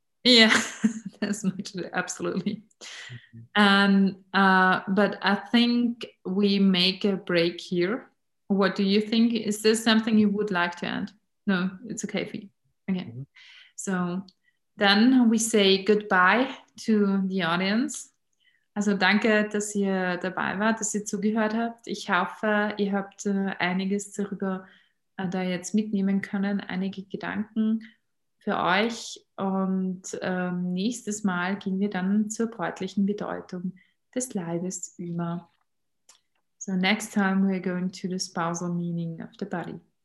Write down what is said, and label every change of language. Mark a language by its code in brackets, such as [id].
[en] Yeah, there's much, absolutely. Mm-hmm. And but I think we make a break here. What do you think? Is there something you would like to add? No, it's okay for you. Okay. Mm-hmm. So then we say goodbye to the audience. [de] Also danke, dass ihr dabei wart, dass ihr zugehört habt. Ich hoffe, ihr habt einiges darüber da jetzt mitnehmen können, einige Gedanken für euch, und nächstes Mal gehen wir dann zur bräutlichen Bedeutung des Leibes über. [en] So next time we're going to the spousal meaning of the body.